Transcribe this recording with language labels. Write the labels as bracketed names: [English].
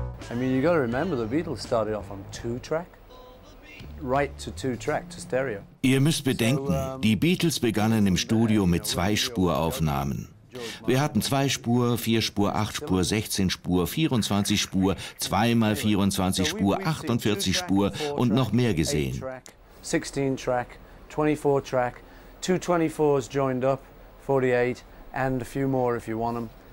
[English] I mean, you got to remember, the Beatles started off on 2-track, right to 2-track to stereo. [German] Ihr müsst bedenken, die Beatles begannen im Studio mit 2-Spur-Aufnahmen. Wir hatten 2-Spur, 4-Spur, 8-Spur, 16-Spur, 24-Spur, 2x24-Spur, 48-Spur und noch mehr gesehen. [English] 16-Track, 24-Track, 2 24s joined up, 48 and a few more if you want them.